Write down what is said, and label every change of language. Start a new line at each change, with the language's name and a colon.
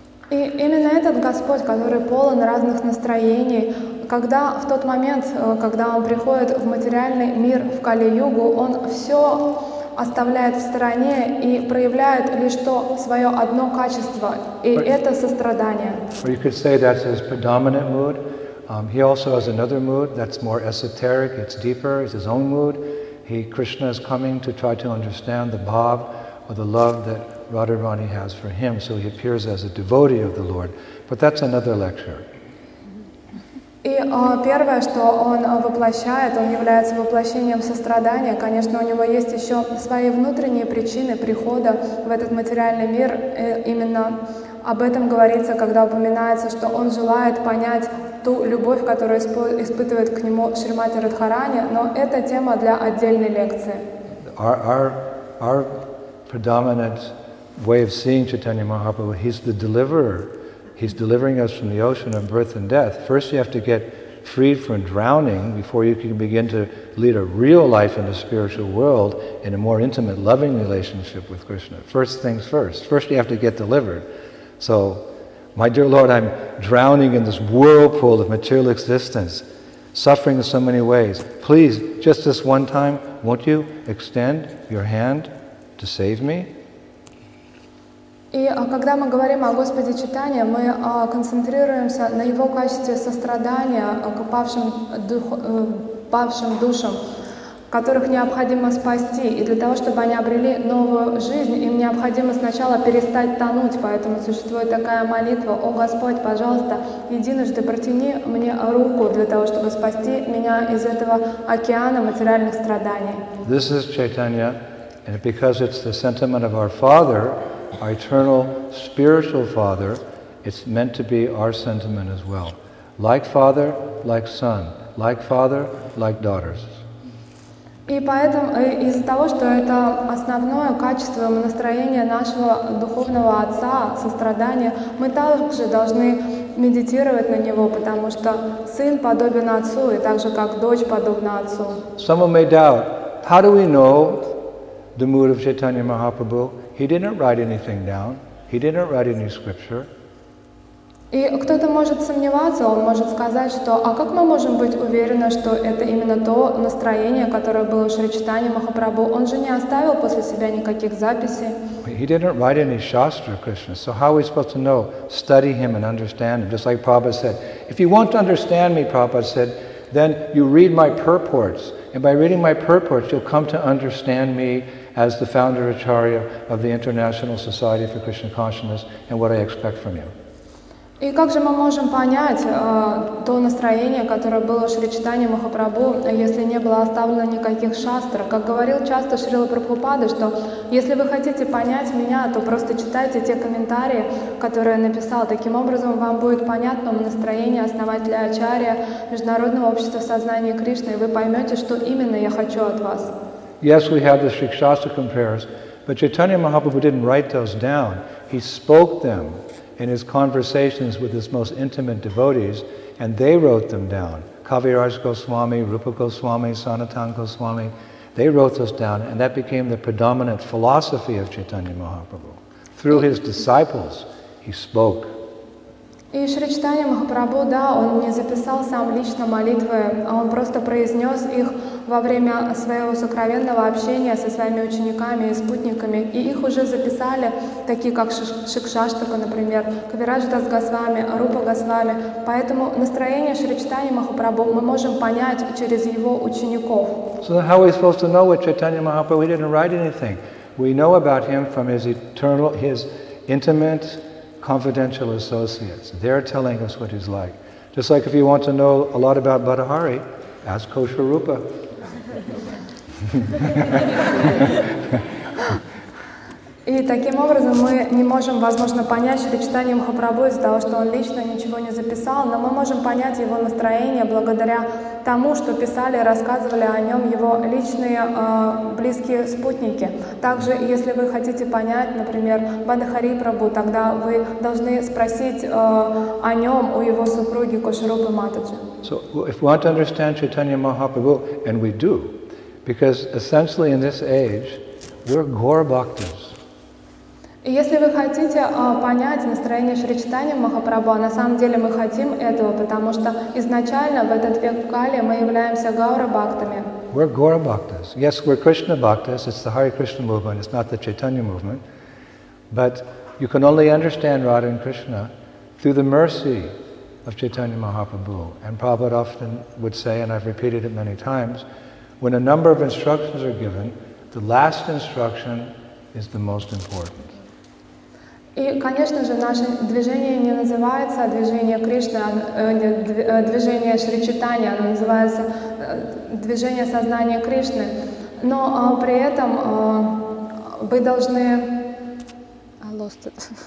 Russian: И именно этот Господь, который полон разных настроений, когда в тот момент, когда он приходит в материальный мир в Кали-югу, он все оставляет в стороне и проявляет лишь то свое одно качество, и это сострадание.
English: Or you could say that's his predominant mood. He also has another mood that's more esoteric, it's deeper, it's his own mood. Krishna is coming to try to understand the bhav or the love that Radharani has for him, so he appears as a devotee of the Lord. But that's another lecture.
Russian: И первое, что он воплощает, он является воплощением сострадания. Конечно, у него есть еще свои внутренние причины прихода в этот материальный мир. Именно об этом говорится, когда упоминается, что он желает понять ту любовь, которую испытывает к нему Шримати Радхарани, но это тема для отдельной лекции.
English: Our predominant way of seeing Chaitanya Mahaprabhu, he's the deliverer. He's delivering us from the ocean of birth and death. First you have to get freed from drowning before you can begin to lead a real life in the spiritual world in a more intimate, loving relationship with Krishna. First things first. First you have to get delivered. So, my dear Lord, I'm drowning in this whirlpool of material existence, suffering in so many ways. Please, just this one time, won't you extend your hand to save me?
Russian: И когда мы говорим о Господе Читания, мы концентрируемся на Его качестве сострадания к павшим душам, которых необходимо спасти. И для того, чтобы они обрели новую жизнь, им необходимо сначала перестать тонуть. Поэтому существует такая молитва: «О Господь, пожалуйста, единожды протяни мне руку для того, чтобы спасти меня из этого океана материальных страданий».
English: This is Chaitanya, and because it's the sentiment of our Father, our eternal spiritual Father, it's meant to be our sentiment as well. Like Father, like Son. Like Father, like Daughters.
Russian: И поэтому из-за того, что это основное качество и настроение нашего духовного отца, сострадание, мы также должны медитировать на него, потому что сын подобен отцу, и так же, как дочь подобна отцу.
English: Someone may doubt, how do we know the mood of Chaitanya Mahaprabhu? He didn't write anything down. He didn't write any scripture.
Russian: И кто-то может сомневаться, он может сказать, что «А как мы можем быть уверены, что это именно то настроение, которое было в Шри Чайтанье Махапрабху? Он же не оставил после себя никаких записей».
English: He didn't write any shastra, Krishna. So how are we supposed to know? Study him and understand him. Just like Prabhupada said, if you want to understand me, Prabhupada said, then you read my purports. And by reading my purports, you'll come to understand me as the founder acharya of the International Society for Krishna Consciousness and what I expect from you.
Russian: И как же мы можем понять то настроение, которое было в Шри Чайтанье Махапрабху, если не было оставлено никаких шастр? Как говорил часто Шрила Прабхупада, что если вы хотите понять меня, то просто читайте те комментарии, которые я написал. Таким образом, вам будет понятно настроение основателя Ачарья Международного общества сознания Кришны, и вы поймете, что именно я хочу от вас.
English: Yes, we have the Shrikshastra compares, But Chaitanya Mahaprabhu didn't write those down. He spoke them in his conversations with his most intimate devotees, and they wrote them down. Kaviraj Goswami, Rupa Goswami, Sanatana Goswami, they wrote those down, and that became the predominant philosophy of Chaitanya Mahaprabhu. Through his disciples, he spoke.
Russian: І Шри Чайтанья Махапрабху, да, он не записал сам лично молитвы, а он просто произнес их во время своего сокровенного общения со своими учениками и спутниками. И их уже записали, такие как Шикшаштака, например, Кавираждас Госвами, Рупа Госвами. Поэтому настроение Шри Чайтанья Махапрабху мы можем понять через его учеников.
English: So how are we supposed to know what Chaitanya Mahaprabhu? We didn't write anything. We know about him from his eternal, his intimate confidential associates. They're telling us what he's like. Just like if you want to know a lot about Badahari, ask Kosha Rupa.
Russian: И таким образом мы не можем, возможно, понять Шри Чайтанья Махапрабху из-за того, что он лично ничего не записал, но мы можем понять его настроение благодаря тому, что писали и рассказывали о нем его личные близкие спутники. Также, если вы хотите понять, например, Бадахари Прабху, тогда вы должны спросить о нем у его супруги Кошарупы Матаджи.
English: So, if we want to understand Chaitanya Mahaprabhu, and we do, because essentially in this age, we're Gaur Bhaktas.
Russian: Если вы хотите понять настроение Шри Чайтанья Махапрабху, на самом деле мы хотим этого, потому что изначально в этот век Кали мы являемся Гаура Бхактами.
English: We're Gaura Bhaktas. Yes, we're Krishna Bhaktas. It's the Hare Krishna movement. It's not the Chaitanya movement. But you can only understand Radha and Krishna through the mercy of Chaitanya Mahaprabhu. And Prabhupada often would say, and I've repeated it many times, when a number of instructions are given, the last instruction is the most important.
Russian: И, конечно же, наше движение не называется движение Кришны, движение Шри Чайтанья, оно называется движение сознания Кришны. Но при этом вы должны...
English: I lost it.